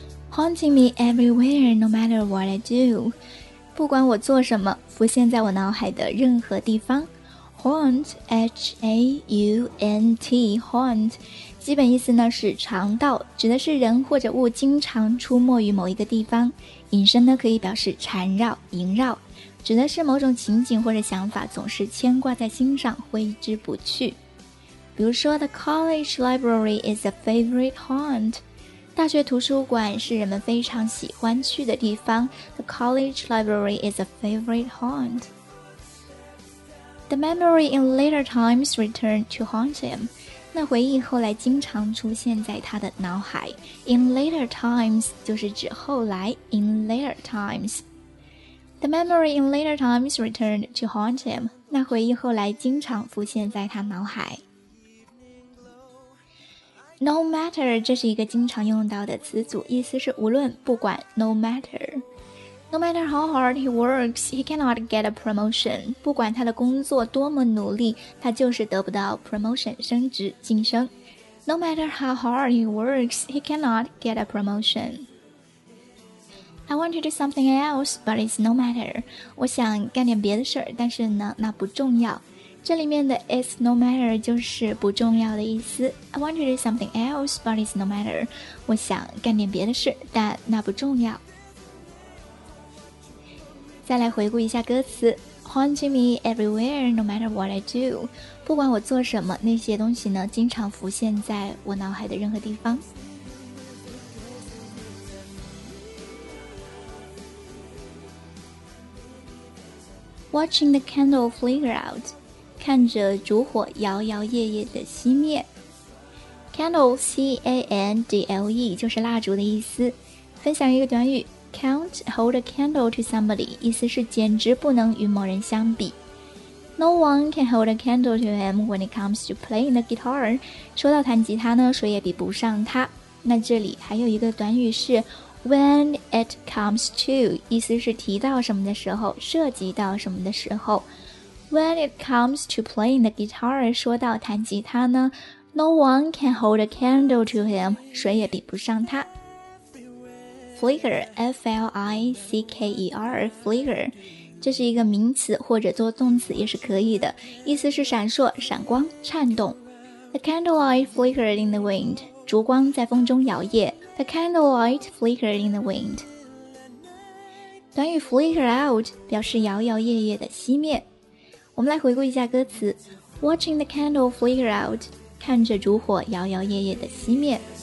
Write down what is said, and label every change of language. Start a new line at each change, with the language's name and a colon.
English: Haunting me everywhere, no matter what I do.
Chinese: 不管我做什么，浮现在我脑海的任何地方。
English: Haunt, H-A-U-N-T, haunt.
Chinese: 基本意思呢是常到，指的是人或者物经常出没于某一个地方。引申呢可以表示缠绕、萦绕，指的是某种情景或者想法总是牵挂在心上挥之不去。比如说
English: The college library is a favorite haunt，
Chinese: 大学图书馆是人们非常喜欢去的地方。
English: The college library is a favorite haunt。 The memory in later times returned to haunt him，
Chinese: 那回忆后来经常出现在他的脑海。
English: In later times
Chinese: 就是指后来。
English: In later times The memory in later times returned to haunt him，
Chinese: 那回忆后来经常浮现在他脑海。 No matter 这是一个经常用到的词组，意思是无论不管。
English: No matter No matter how hard he works, he cannot get a promotion.
Chinese: 不管他的工作多么努力，他就是得不到 promotion 升职晋升。
English: No matter how hard he works, he cannot get a promotion. I want to do something else, but it's no matter.
Chinese: 我想干点别的事儿，但是呢，那不重要。这里面的 it's no matter 就是不重要的意思。
English: I want to do something else, but it's no matter.
Chinese: 我想干点别的事，但那不重要。再来回顾一下歌词
English: Haunting me everywhere, no matter what I do，
Chinese: 不管我做什么，那些东西呢经常浮现在我脑海的任何地方。
English: Watching the candle flicker out，
Chinese: 看着烛火摇摇曳曳的熄灭。 Candle, C-A-N-D-L-E 就是蜡烛的意思。分享一个短语，
English: Can't hold a candle to somebody，
Chinese: 意思是简直不能与某人相比。
English: No one can hold a candle to him when it comes to playing the guitar，
Chinese: 说到弹吉他呢，谁也比不上他。那这里还有一个短语是 when it comes to， 意思是提到什么的时候，涉及到什么的时候。
English: When it comes to playing the guitar，
Chinese: 说到弹吉他呢，
English: No one can hold a candle to him，
Chinese: 谁也比不上他。 Flicker, F-L-I-C-K-E-R, flicker， 这是一个名词，或者做动词也是可以的，意思是闪烁、闪光、颤动。
English: The candlelight flickered in the wind，
Chinese: 烛光在风中摇曳。
English: The candlelight flickered in the wind。
Chinese: 短语 flicker out 表示摇摇曳曳的熄灭。我们来回顾一下歌词，
English: Watching the candle flicker out，
Chinese: 看着烛火摇摇曳曳的熄灭。